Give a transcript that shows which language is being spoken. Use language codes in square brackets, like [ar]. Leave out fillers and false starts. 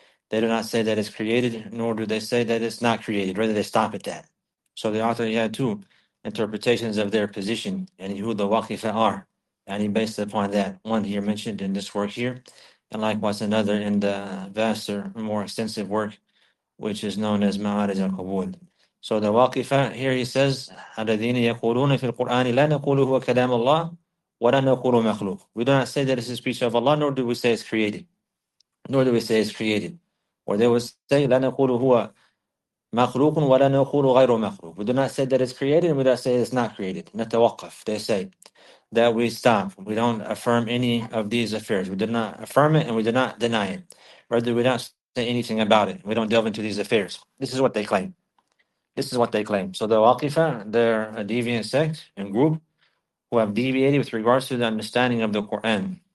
[en] They do not say that it's created, nor do they say that it's not created. Rather, they stop at that. So the author, he had two interpretations of their position and who the waqifah are. And he based upon that one here mentioned in this work here, and likewise another in the vaster, more extensive work, which is known as Ma'arij al-Qubul. [ar] So the Waqifa, here he says, الَّذِينَ يَقُولُونَ فِي الْقُرْآنِ لَا نَقُولُ هُوَ كَلَامُ اللَّهِ وَلَا نَقُولُ مَخْلُوقٌ. [en] We do not say that it's the speech of Allah, nor do we say it's created. Nor do we say it's created. [ar] Or they would say, لَا نَقُولُ هُوَ مَخْلُوقٌ وَلَا نَقُولُ غَيْرُ مَخْلُوقٌ. [en] We do not say that it's created, and we do not say it's not created. نَتَوَقَّفْ, they say. That we stop, we don't affirm any of these affairs. We do not affirm it and we do not deny it. Rather, we don't say anything about it. We don't delve into these affairs. This is what they claim. So the Waqifa, they're a deviant sect and group who have deviated with regards to the understanding of the Quran.